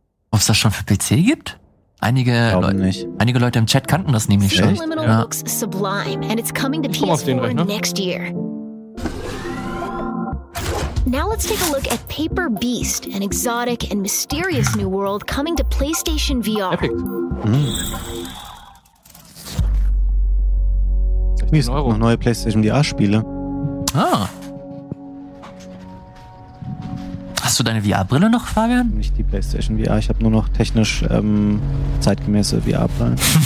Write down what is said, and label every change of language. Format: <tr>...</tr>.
<de>Ob es das schon für PC gibt? Einige Leute im Chat kannten das nämlich schon. Ja.</de> <en>Sublime, and it's coming to PS4 next year. Now let's take a look at Paper Beast, an exotic and mysterious new world coming to PlayStation VR. Epic. Mm.</en> <de>Hier sind noch neue PlayStation VR Spiele. Ah. Hast du deine VR-Brille noch, Fabian? Nicht die PlayStation VR, ich habe nur noch technisch zeitgemäße VR-Brille.</de>